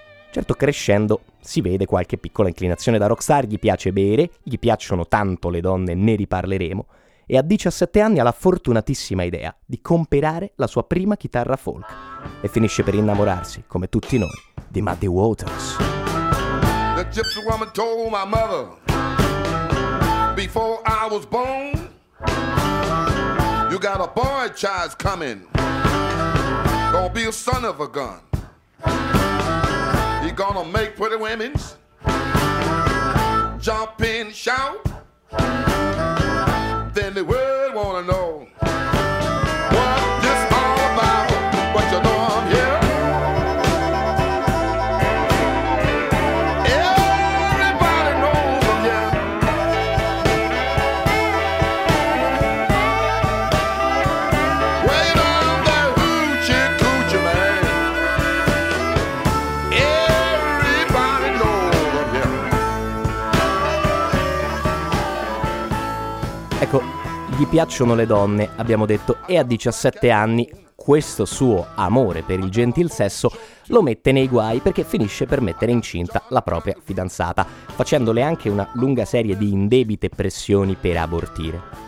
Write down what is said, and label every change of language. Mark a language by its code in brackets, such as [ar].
[it] Certo, crescendo si vede qualche piccola inclinazione da rockstar, gli piace bere, gli piacciono tanto le donne, ne riparleremo, e a 17 anni ha la fortunatissima idea di comprare la sua prima chitarra folk e finisce per innamorarsi, come tutti noi, di Muddy Waters. [en] The gypsy woman told my mother before I was born, you got a boy child coming, gonna be a son of a gun. He's gonna make pretty women jump and shout. Then the world wanna know what this all about. But you know I'm here. Everybody knows I'm here. Wait on that hoochie coochie man. Everybody knows I'm here. [it] Ecco. Gli piacciono le donne, abbiamo detto, e a 17 anni questo suo amore per il gentil sesso lo mette nei guai perché finisce per mettere incinta la propria fidanzata, facendole anche una lunga serie di indebite pressioni per abortire.